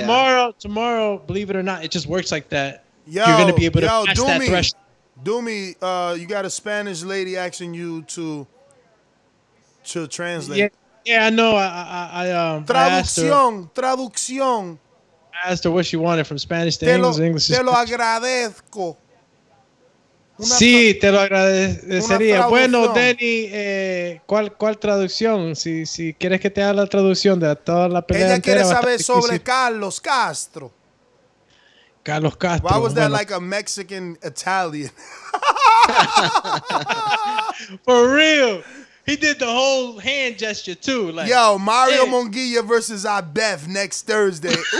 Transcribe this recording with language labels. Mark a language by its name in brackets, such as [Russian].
[English] So tomorrow, believe it or not, it just works like that. You're gonna be able to pass that threshold. Do me, you got a Spanish lady asking you to translate. Yeah, I know. I [Spanish] traducción. [English] I asked her what she wanted from Spanish to English. [Spanish] Te lo agradezco. Sí, te lo agradecería. Bueno, Denny, ¿cuál traducción? Si quieres que te haga la traducción de toda la pelea. Ella quiere saber sobre Carlos Castro. Carlos Castro. [English] Why was that like a Mexican Italian? For real. He did the whole hand gesture too. Like, yo, Mario Munguia versus Ibef next Thursday.